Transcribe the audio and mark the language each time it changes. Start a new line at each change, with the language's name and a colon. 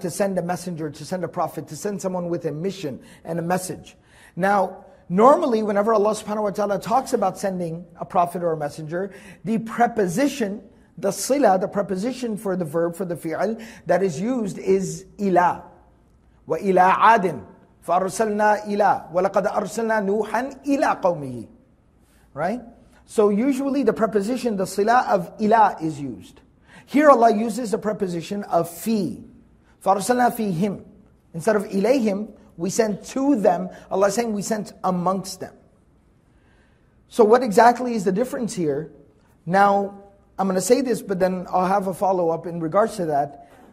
English: To send a messenger, to send a prophet, to send someone with a mission and a message. Now, normally, whenever Allah subhanahu wa ta'ala talks about sending a prophet or a messenger, the preposition, the sila, the preposition for the verb, for the fi'il, that is used is ila.
Arabic: Wa ila adin. فَأَرْسَلْنَا ila. وَلَقَدْ أَرْسَلْنَا نُوحًا ila قَوْمِهِ.
English: Right? So usually the preposition, the sila of ila is used. Here Allah uses the preposition of fi.
Arabic: فَأَرْسَلْنَا فِيهِمْ.
English: Instead of إِلَيْهِمْ, we sent to them. Allah is saying we sent amongst them. So what exactly is the difference here? Now, I'm going to say this, but then I'll have a follow-up in regards to that.